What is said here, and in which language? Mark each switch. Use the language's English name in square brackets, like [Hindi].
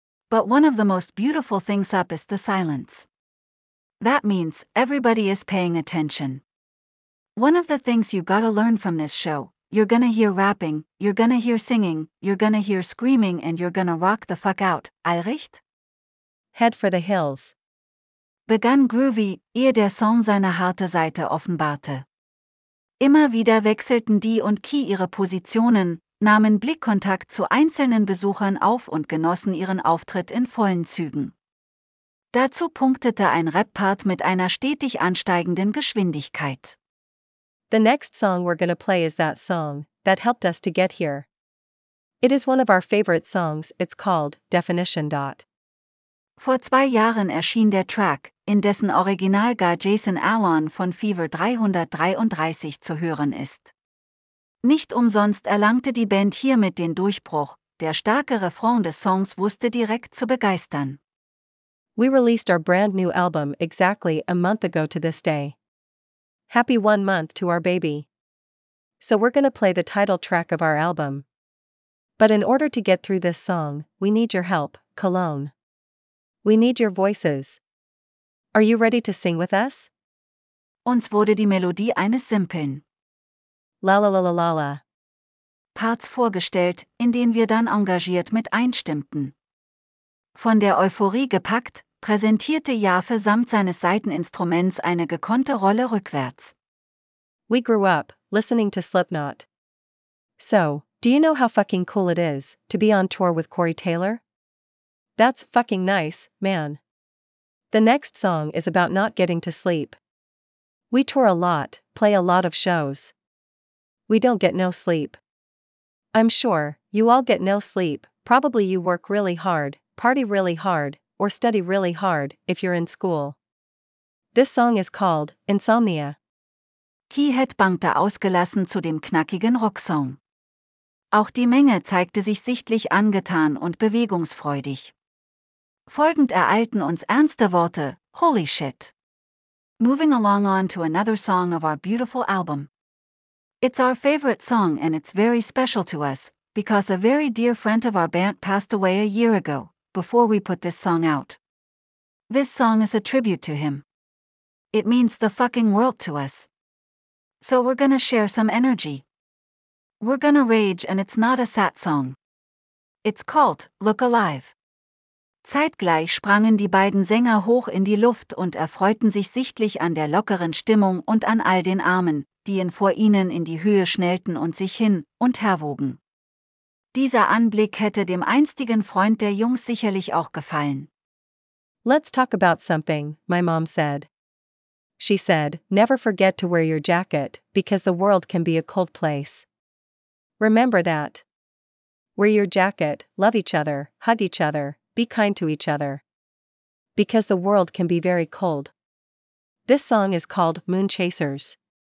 [English] But one of the most beautiful things up is the silence. That means everybody is paying attention. One of the things you gotta learn from this show. You're gonna hear rapping, you're gonna hear singing, you're gonna hear screaming and you're gonna rock the fuck out, Alricht? Head for the hills. [German] Begann Groovy, ehe der Song seine harte Seite offenbarte. Immer wieder wechselten Dee und Key ihre Positionen, nahmen Blickkontakt zu einzelnen Besuchern auf und genossen ihren Auftritt in vollen Zügen. Dazu punktete ein Rap-Part mit einer stetig ansteigenden Geschwindigkeit. [English] The next song we're gonna play is that song that helped us to get here. It is one of our favorite songs, it's called Definition. [German] Vor 2 Jahren erschien der Track, in dessen Originalgar Jason Aaron von Fever 333 zu hören ist. Nicht umsonst erlangte die Band hiermit den Durchbruch, der starke Refrain des Songs wusste direkt zu begeistern. [English] We released our brand new album exactly a month ago to this day. Happy 1 month to our baby. So we're gonna play the title track of our album. But in order to get through this song, we need your help, Cologne. We need your voices. Are you ready to sing with us? [German] Uns wurde die Melodie eines simplen La la la la la la. Parts vorgestellt, in denen wir dann engagiert mit einstimmten. Von der Euphorie gepackt, präsentierte Jafe samt seines Saiteninstruments eine gekonnte Rolle rückwärts. [English] We grew up, listening to Slipknot. So, do you know how fucking cool it is, to be on tour with Corey Taylor? That's fucking nice, man. The next song is about not getting to sleep. We tour a lot, play a lot of shows. We don't get no sleep. I'm sure, you all get no sleep, probably you work really hard, party really hard, or study really hard, if you're in school. This song is called, Insomnia. [German] Keyhead bangte ausgelassen zu dem knackigen Rocksong. Auch die Menge zeigte sich sichtlich angetan und bewegungsfreudig. Folgend ereilten uns ernste Worte, [English] holy shit. Moving along on to another song of our beautiful album. It's our favorite song and it's very special to us, because a very dear friend of our band passed away a year ago, before we put this song out. This song is a tribute to him. It means the fucking world to us. So we're gonna share some energy. We're gonna rage and it's not a sad song. It's called, Look Alive. [German] Zeitgleich sprangen die beiden Sänger hoch in die Luft und erfreuten sich sichtlich an der lockeren Stimmung und an all den Armen, die in vor ihnen in die Höhe schnellten und sich hin- und herwogen. Dieser Anblick hätte dem einstigen Freund der Jungs sicherlich auch gefallen. [English] Let's talk about something, my mom said. She said, never forget to wear your jacket, because the world can be a cold place. Remember that. Wear your jacket, love each other, hug each other, be kind to each other. Because the world can be very cold. This song is called Moon Chasers.